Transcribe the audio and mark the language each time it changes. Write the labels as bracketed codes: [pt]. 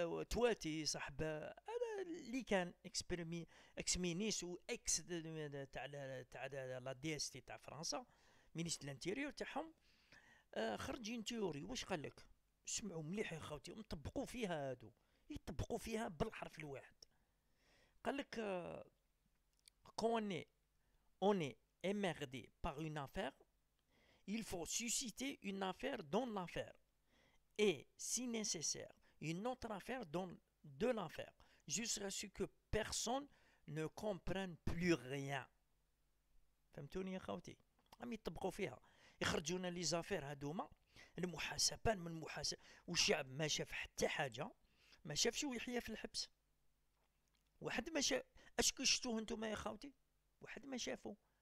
[ar] تواتي صاحب هذا اللي كان اكس مينيس و اكس تاع لا دي اس تي تاع فرنسا مينيست لانتيريور تاعهم خرج تيوري واش قال لك سمعوا مليح يا خوتي ومطبقوا فيها هادو يطبقوا فيها بالحرف الواحد قال لك كوني اوني امردي بار اون افير [fr] Il faut susciter une affaire dans l'affaire et, si nécessaire, une autre affaire dans de l'affaire, jusqu'à ce que personne ne comprenne plus rien. [ar] فهمتوني يا خوتي؟ عم يطبقوا فيها. يخرجونا لي زافير هذوما المحاسبان من المحاسب والشعب ما شاف حتى حاجه ما شافش ويحيى في الحبس. واحد ما شاف اشكو شفتوه انتوما يا خوتي؟ واحد ما شافو.